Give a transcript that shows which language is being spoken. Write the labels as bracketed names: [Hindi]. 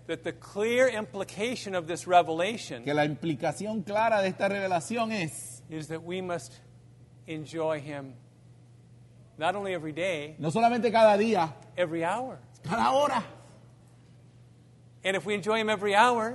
[English] That the clear implication of this revelation, [Spanish] que la implicación clara de esta revelación es, [English] is that we must enjoy him not only every day, [Spanish] no solamente cada día, [English] every hour, [Spanish] cada hora. [English] And if we enjoy him every hour,